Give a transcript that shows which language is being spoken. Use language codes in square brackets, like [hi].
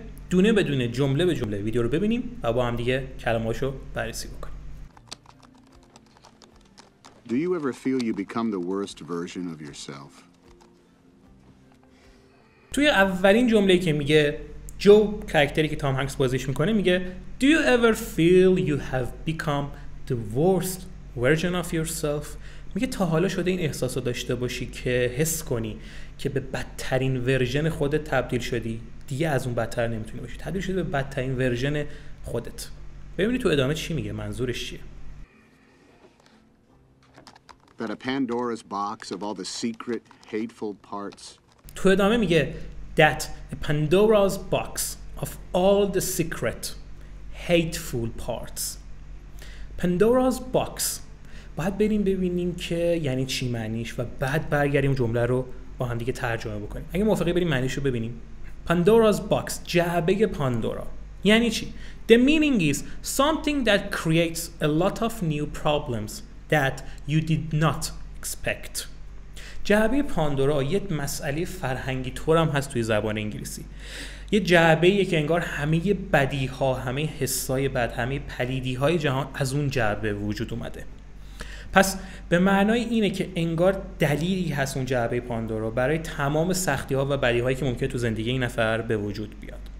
[fa] دونه به دونه، جمله به جمله ویدیو رو ببینیم و با هم دیگه کلماشو بررسی بکنیم. [en] Do you ever feel you become the worst version of yourself? [fa] توی اولین جمله‌ای که میگه جو، کاراکتری که تام هنکس بازیش میکنه، میگه [en] Do you ever feel you have become the worst version of yourself؟ [fa] میگه تا حالا شده این احساس رو داشته باشی که حس کنی که به بدترین ورژن خودت تبدیل شدی؟ دیگه از اون بدتر نمیتونی باشی، تبدیل شده به بدترین ورژن خودت. ببینید تو ادامه چی میگه، منظورش چیه. [en] That a Pandora's box of all the secret hateful parts. [fa] تو ادامه میگه [en] that a Pandora's box of all the secret hateful parts. Pandora's box. [fa] بعد بریم ببینیم که یعنی چی معنیش و بعد برگردیم جمله رو با هم دیگه ترجمه بکنیم. اگه موافقی بریم معنیش رو ببینیم. [en] Pandora's box، [fa] جعبه پاندورا، یعنی چی؟ [en] The meaning is something that creates a lot of new problems that you did not expect. [fa] جعبه پاندورا یه مسئله فرهنگی طور هم هست توی زبان انگلیسی. یه جعبه یه که انگار همه بدی‌ها، همه حسای بد، همه پلیدی‌های جهان از اون جعبه وجود اومده. پس به معنای اینه که انگار دلیلی هست اون جعبه پاندورا برای تمام سختی‌ها و بدی‌هایی که ممکنه تو زندگی این نفر به وجود بیاد.